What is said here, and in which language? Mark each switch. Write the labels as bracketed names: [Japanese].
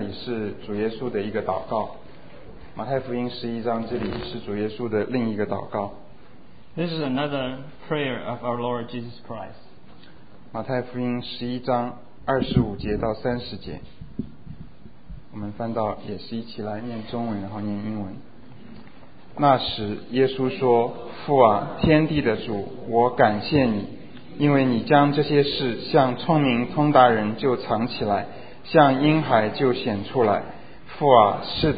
[Chinese] 马太福音十一章，我们念刚才希伯来书那里是主耶稣的一个祷告。马太福音十一章，这里是主耶稣的另一个祷告。 [English] This is another prayer of our Lord Jesus Christ. [Chinese] 马太福音十一章二十五节到三十节，我们翻到也是一起来念中文，然后念英文。那时耶稣说：“父啊，天地的主，我感谢你，因为你将这些事向聪明通达人就藏起来，向婴孩就显出来。”